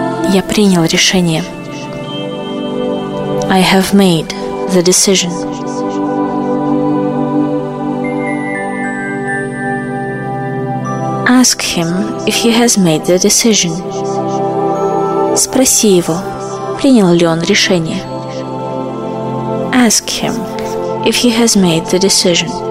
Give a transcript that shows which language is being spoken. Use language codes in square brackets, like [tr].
[ru] Я принял решение. [en] I have made the decision. Ask him if he has made the decision. [ru] Спроси его, принял ли он решение. [en] Ask him if he has made the decision.